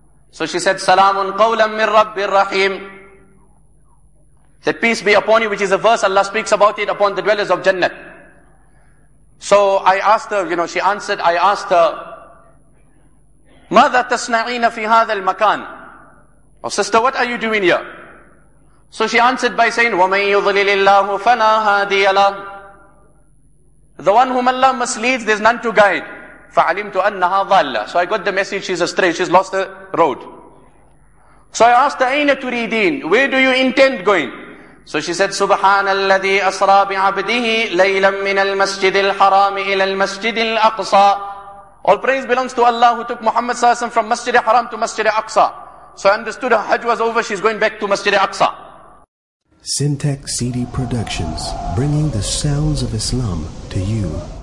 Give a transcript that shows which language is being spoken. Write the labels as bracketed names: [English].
[English] So she said, [Arabic] salamun qawlam min rabbir rahim. [English] That peace be upon you, which is a verse Allah speaks about it upon the dwellers of Jannah. So I asked her, you know, she answered, I asked her, [Arabic] ماذا تصنعين في هذا المكان? [English] Oh sister, what are you doing here? So she answered by saying, [Arabic] وَمَنْ يُضْلِلِ اللَّهُ فَنَا هَادِيَ لَهُ. [English] The one whom Allah misleads, there's none to guide. [Arabic] فَعَلِمْتُ أَنَّهَا ضَالَّ. [English] So I got the message, she's astray, she's lost the road. So I asked her, [Arabic] أَيْنَ تُرِيدِينَ? [English] Where do you intend going? So she said, [Arabic] سُبْحَانَ الَّذِي أَسْرَى بِعَبْدِهِ لَيْلًا مِّنَ الْمَسْجِدِ الْحَرَامِ إِلَى الْمَسْجِدِ الْأَقْصَى. [English] All praise belongs to Allah who took Muhammad Sallallahu Alaihi Wasallam from Masjid al-Haram to Masjid al-Aqsa. So I understood her hajj was over, she's going back to Masjid al-Aqsa. Syntax CD Productions, bringing the sounds of Islam to you.